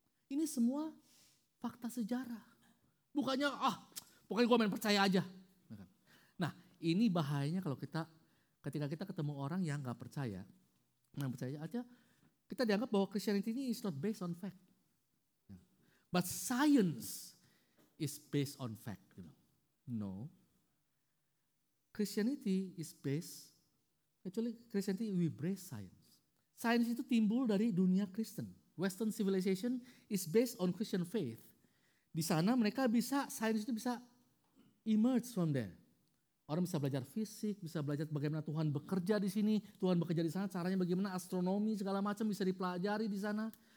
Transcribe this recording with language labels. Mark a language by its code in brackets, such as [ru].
[id] Ini semua fakta sejarah. Bukannya, pokoknya gue main percaya aja. Nah, ini bahayanya kalau ketika kita ketemu orang yang gak percaya, yang percaya aja, kita dianggap bahwa Christianity ini [en] is not based on fact. But science is based on fact. No. Christianity is based, actually Christianity we embrace science. [id] Sains itu timbul dari dunia Kristen. [en] Western civilization is based on Christian faith. [id] Di sana mereka bisa, sains itu bisa [en] emerge from there. [id] Orang bisa belajar fisik, bisa belajar bagaimana Tuhan bekerja di sini, Tuhan bekerja di sana, caranya bagaimana, astronomi, segala macam bisa dipelajari di sana.